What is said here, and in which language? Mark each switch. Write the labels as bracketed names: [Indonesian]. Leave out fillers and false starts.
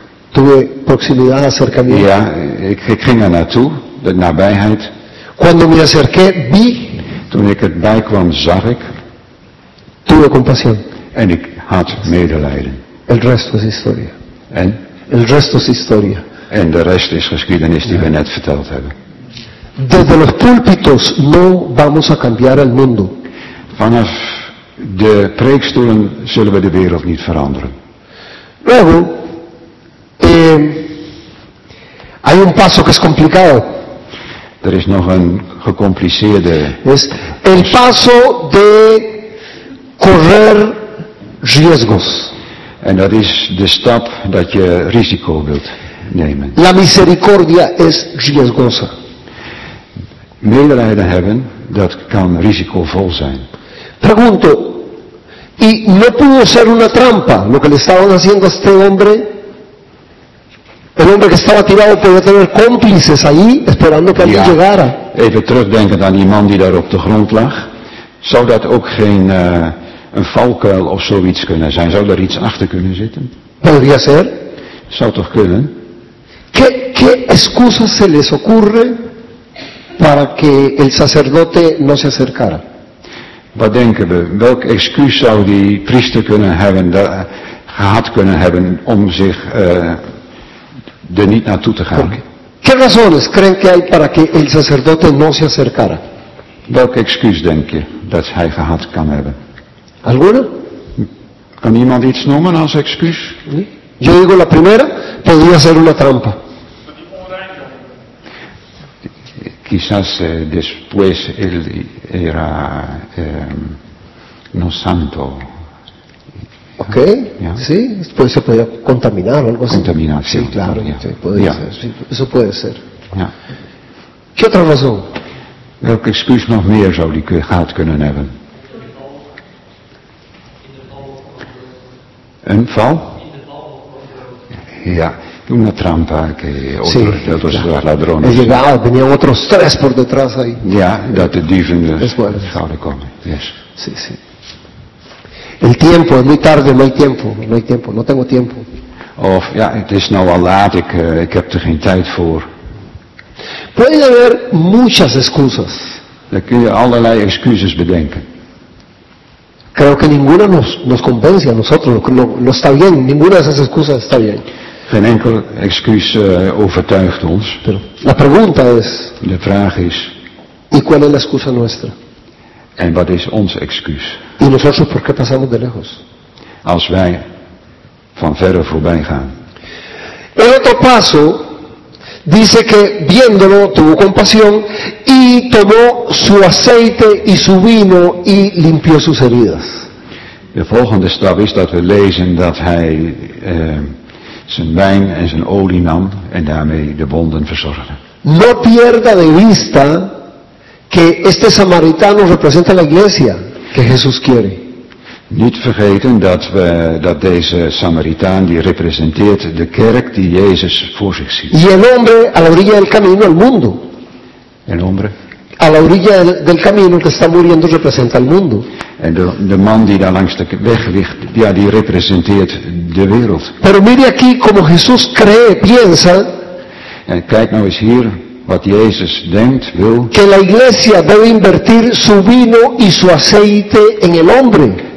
[Spanish] Tuve proximidad, acercamiento. [Dutch] Ja, ik ging er naartoe, de nabijheid. [Spanish] Cuando me acerqué, vi. [Dutch] Toen ik erbij kwam, zag ik. [Spanish] Tuve compasión. [Dutch] En ik had medelijden. [Spanish] El resto es historia. [Dutch] En? [Spanish] El resto es historia. [Dutch] En de rest is geschiedenis die ja. We net verteld hebben. [Spanish] Desde los púlpitos no vamos a cambiar el mundo. [Dutch] Vanaf de preekstoelen zullen we de wereld niet veranderen. [Spanish] Luego, hay un paso que es complicado. [Dutch] Er is nog een gecompliceerde. [Spanish] Es el paso de correr riesgos. [Dutch] En dat is de stap dat je risico wilt nemen. [Spanish] La misericordia es riesgosa. [Dutch] Medelijden hebben, dat kan risicovol zijn. [Spanish] Pregunto. Y no pudo ser una trampa lo que le estaban haciendo a este hombre. El hombre que estaba tirado podía tener cómplices ahí esperando que alguien llegara. [Dutch] Even terugdenkend aan die man die daar op de grond lag. Zou dat ook geen een valkuil of zoiets kunnen zijn? Zou daar iets achter kunnen zitten? [Spanish] Podría ser. [Dutch] Zou toch kunnen? [Spanish] ¿Qué excusas se les ocurre para que el sacerdote no se acercara? [Dutch] Wat denken we? Welk excuus zou die priester kunnen hebben, gehad kunnen hebben om zich er niet naartoe te gaan? [Spanish] ¿Qué razones creen que hay para que el sacerdote no se acercara? [Dutch] Welk excuus denk je dat hij gehad kan hebben? [Spanish] ¿Alguna? [Dutch] Kan iemand iets noemen als excuus? [Spanish] Yo digo la primera, podría ser una trampa. Quizás después él era no santo. Ok, ¿ya? Sí, después se podía contaminar o algo así. Contaminación. Sí, claro, podría ser. Sí, eso puede ser. Ya. ¿Qué otra razón? [Dutch] ¿Welke excuus nog meer zou die gehad kunnen hebben? [Spanish] ¿Un [Dutch] val? [Spanish] Ya. Una trampa que otros ladrones. Llegaba, venían otros tres por detrás ahí. [Dutch] Ya, dat de dieven zouden komen. [English] Yes. [Spanish] Sí, sí. El tiempo, es muy tarde, no hay tiempo, no tengo tiempo. [Dutch] Of, ja, het is nou al laat, ik heb er geen tijd voor. [Spanish] Puede haber muchas excusas. [Dutch] Dan kun je allerlei excuses bedenken. [Spanish] Creo que ninguna nos convence a nosotros, no está bien, ninguna de esas excusas está bien. [Dutch] Geen enkel excuus overtuigt ons. [Spanish] La pregunta es, [Dutch] de vraag is. [Spanish] ¿Y cuál es la excusa nuestra? [Dutch] En wat is ons excuus? [Spanish] ¿Y nosotros por qué pasamos de lejos? [Dutch] Als wij van verre voorbij gaan. [Spanish] El otro paso dice que viéndolo tuvo compasión y tomó su aceite y su vino y limpió sus heridas. [Dutch] De volgende stap is dat we lezen dat hij zijn wijn en zijn olie nam en daarmee de wonden verzorgde. [Spanish] No pierda de vista que este samaritano representa la iglesia que Jesús quiere. [Dutch] Niet vergeten dat deze Samaritaan die representeert de kerk die Jezus voor zich ziet. [Spanish] Y el hombre a la orilla del camino al mundo. El hombre. A la orilla del camino que está muriendo representa el mundo. [Dutch] En de man die daar langs de weg ligt, ja, die representeert de wereld. [Spanish] Pero mire aquí como Jesús cree, piensa. [Dutch] En kijk nou eens hier wat Jezus denkt, wil. [Spanish] Que la iglesia debe invertir su vino y su aceite en el hombre.